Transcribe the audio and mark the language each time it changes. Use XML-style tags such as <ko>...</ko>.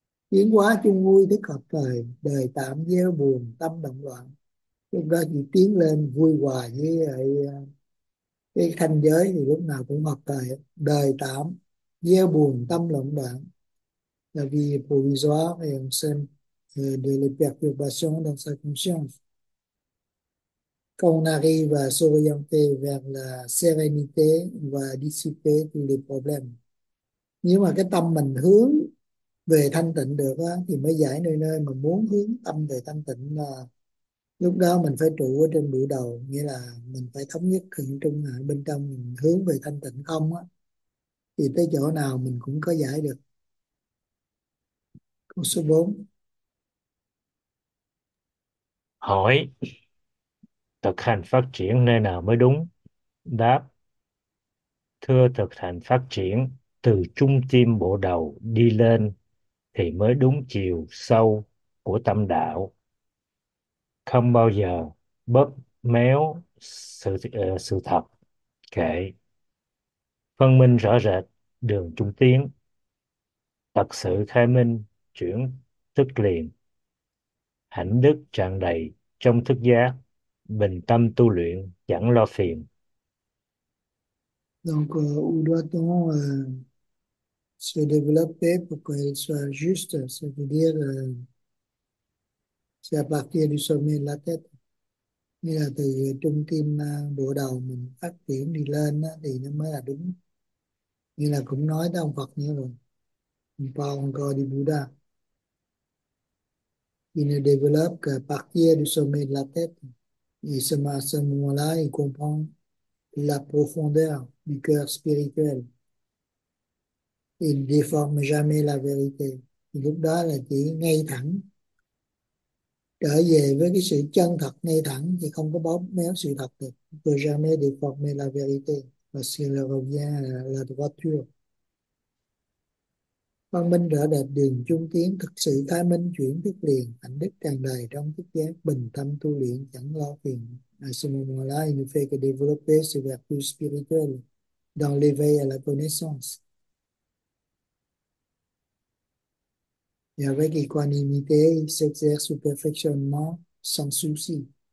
<vi>Tiến hóa chung vui thức hợp thời, đời tạm gieo buồn tâm động loạn, lúc đó thì tiến lên vui hòa với cái thanh giới, thì lúc nào cũng hợp thời. Đời tạm gieo buồn tâm động loạn là vì</vi> <fr>provisoire et on sent de les perturbations dans sa conscience. Quand on arrive à s'orienter vers la sérénité, on va dissiper tous les problèmes.</fr> <vi>Nhưng mà cái tâm mình hướng về thanh tịnh được đó, thì mới giải nơi nơi, mà muốn hướng tâm về thanh tịnh là lúc đó mình phải trụ ở trên bụi đầu, nghĩa là mình phải thống nhất thượng trung hạ bên trong, mình hướng về thanh tịnh không á, thì tới chỗ nào mình cũng có giải được. Câu số 4. Hỏi thực hành phát triển nơi nào mới đúng? Đáp, thưa thực hành phát triển từ trung tâm bộ đầu đi lên thì mới đúng chiều sâu của tâm đạo, không bao giờ bóp méo sự thật kệ, phân minh rõ rệt đường trung tiến, thật sự khai minh chuyển tức liền, hạnh đức tràn đầy trong thức giác, bình tâm tu luyện chẳng lo phiền.</vi> <fr>Donc, où doit-on se développer pour qu'elle soit juste? C'est-à-dire, c'est à partir du sommet de la tête.</fr> <vi>Nghĩa là từ trung tâm bộ đầu mình phát triển đi lên thì nó mới là đúng. Như là cũng nói tới ông Phật nhớ rồi. Ông Paul Gordy Buddha.</vi> <fr>Il ne développe qu'à partir du sommet de la tête. Et ce moment-là, il comprend la profondeur du cœur spirituel. Il déforme jamais la vérité.</fr> <vi>Lúc đó là chỉ ngay thẳng. Trở về với cái sự chân thật ngay thẳng thì không có bóp méo sự thật được.</vi> <fr>Il ne peut jamais déformer la vérité. Parce qu'il revient à la droiture.</fr> <vi>Quang minh rõ rệt đường trung tiến, thực sự khai minh chuyển thức liền, hạnh đức tràn đầy trong thức giác, bình tâm tu luyện chẳng lo phiền.</vi> <fr>À, il ne fait que développer ses vertus spirituelles dans l'éveil à la connaissance. et avec équanimité, s'exerce au perfectionnement sans souci.</fr>